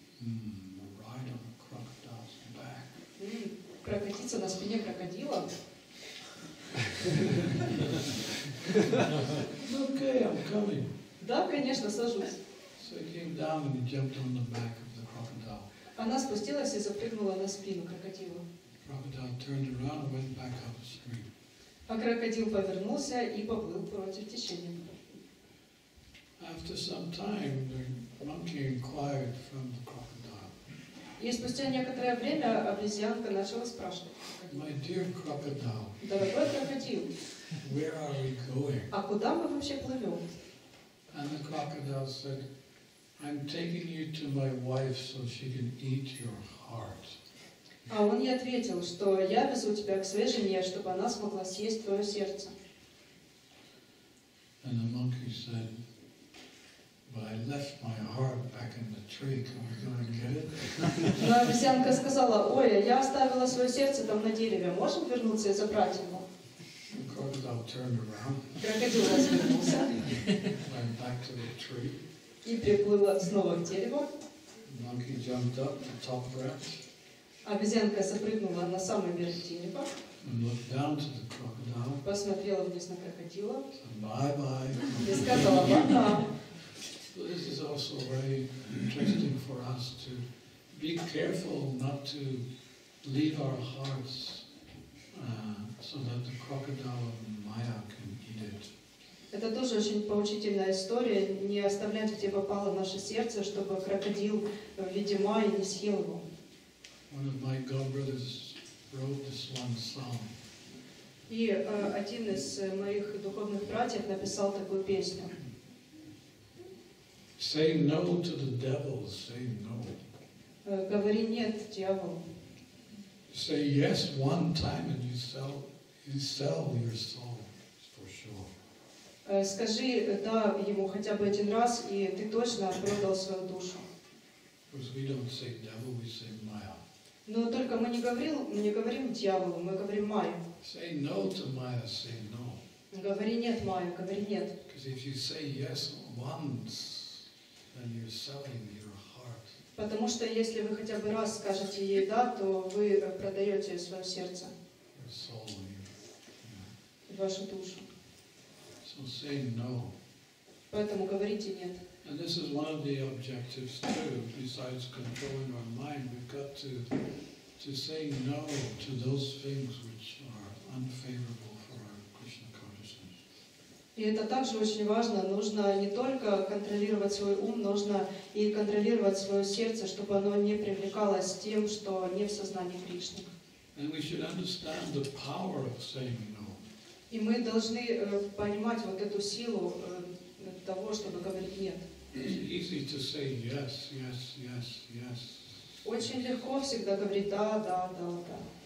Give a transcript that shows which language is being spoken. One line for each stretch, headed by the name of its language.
English: Ride on the crocodile's back.
Russian: Прокатиться на спине крокодила?
English: Okay, I'm coming.
Russian: Да, конечно, сажусь.
English: So he came down and he jumped on the back of the crocodile.
Russian: Она спустилась и запрыгнула на спину крокодила.
English: Crocodile turned around and went back up the stream.
Russian: А крокодил повернулся и поплыл против течения.
English: After some time, the monkey inquired from the crocodile.
Russian: И спустя некоторое время обезьянка начала спрашивать.
English: My dear crocodile.
Russian: Дорогой крокодил.
English: Where are we going?
Russian: А куда мы вообще плывем?
English: And the crocodile said, I'm taking you to my wife so she can eat your heart.
Russian: А он ей ответил, что я везу тебя к своей жене, чтобы она смогла съесть твое сердце.
English: And the monkey said, but I left my heart back in the tree. Can we go and get it?
Russian: Но обезьянка сказала, ой, я оставила свое сердце там на дереве. Можем вернуться и забрать его?
English: The crocodile turned around.
Russian: Крокодил развернулся.
English: Went back to the tree.
Russian: И приплыла снова к дереву.
English: Monkey jumped up the top branch.
Russian: Обезьянка запрыгнула на самый верх дерева.
English: And looked down to the crocodile.
Russian: Посмотрела вниз на крокодила.
English: Bye bye.
Russian: И сказала пока.
English: So this is also very interesting for us to be careful not to leave our hearts so that the crocodile of Maya can eat it.
Russian: Это тоже очень поучительная история, не оставлять, где попало наше сердце, чтобы крокодил в виде Майи не съел его.
English: One of my god brothers wrote this one song.
Russian: И один из моих духовных братьев написал такую песню.
English: Say no to the devil, say no.
Russian: Говори нет дьяволу.
English: Say yes one time and you sell your soul for sure.
Russian: Скажи да ему хотя бы один раз и ты точно продал свою душу.
English: Because we don't say devil, we say Maya.
Russian: Но только мы не говорим дьяволу, мы говорим Майя.
English: Say no to Maya, say no.
Russian: Говори нет Майя, говори нет.
English: Because if you say yes once, and you're selling your heart.
Russian: Потому что если вы хотя бы раз скажете ей да, то вы продаете свое сердце.
English: Your soul,
Russian: вашу душу.
English: So say no.
Russian: Поэтому говорите нет.
English: And this is one of the objectives too, besides controlling our mind, we've got to say no to those things which are unfavorable for our Krishna consciousness.
Russian: И это также очень важно. Нужно не только контролировать свой ум, нужно и контролировать свое сердце, чтобы оно не привлекалось тем, что не в сознании Кришны.
English: And we should understand the power of saying no.
Russian: И мы должны понимать вот эту силу того, чтобы говорить нет.
English: Easy to say yes, yes, yes, yes.
Russian: Очень легко всегда говорить да, да, да, да.